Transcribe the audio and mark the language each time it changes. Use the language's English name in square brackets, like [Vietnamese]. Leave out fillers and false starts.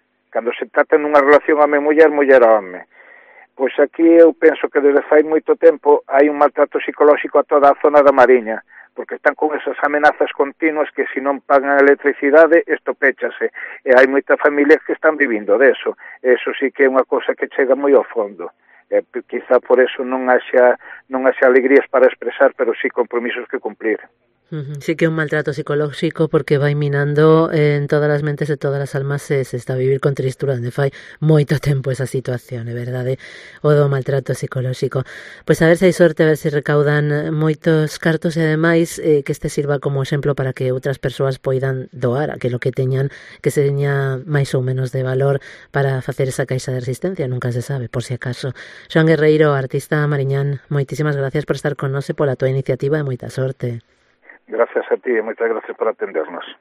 [Galician] Cando se trata nunha relación home-muller, muller a home. Pois aquí eu penso que desde fai moito tempo hai un maltrato psicolóxico a toda a zona da Mariña, porque están con esas amenazas continuas que se non pagan a electricidade, isto péchase. E hai moitas familias que están vivindo deso. Eso sí que é unha cousa que chega moi ao fondo. Quizá por eso non haxa alegrías para expresar, pero sí compromisos que cumplir. Sí que un maltrato psicológico porque vai minando en todas as mentes e todas as almas se está a vivir con tristura onde fai moito tempo esa situación, é verdade, o do maltrato psicológico. Pois a ver se hai sorte, a ver se recaudan moitos cartos e ademais que este sirva como exemplo para que outras persoas poidan doar aquilo que teñan que seña máis ou menos de valor para facer esa caixa de resistencia, nunca se sabe, por si acaso. Xoán Guerreiro, artista mariñán, moitísimas gracias por estar con nós e pola túa iniciativa e moita sorte. [Spanish] Gracias a ti y muchas gracias por atendernos.